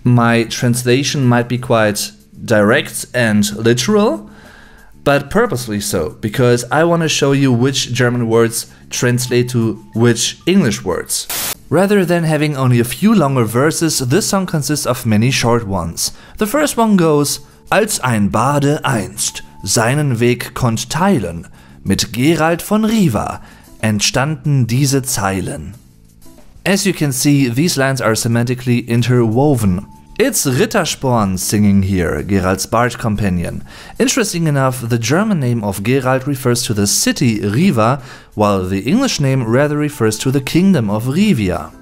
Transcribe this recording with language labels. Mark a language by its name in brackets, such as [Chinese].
[English] My translation might be quite direct and literal, but purposely so, because I want to show you which German words translate to which English words. Rather than having only a few longer verses, this song consists of many short ones. The first one goes, [German] Als ein Bade einst seinen Weg konnt teilen mit Geralt von Riva entstanden diese Zeilen. [English] As you can see, these lines are semantically interwoven. It's Rittersporn singing here, Geralt's bard companion. Interesting enough, the German name of Geralt refers to the city Riva, while the English name rather refers to the kingdom of Rivia.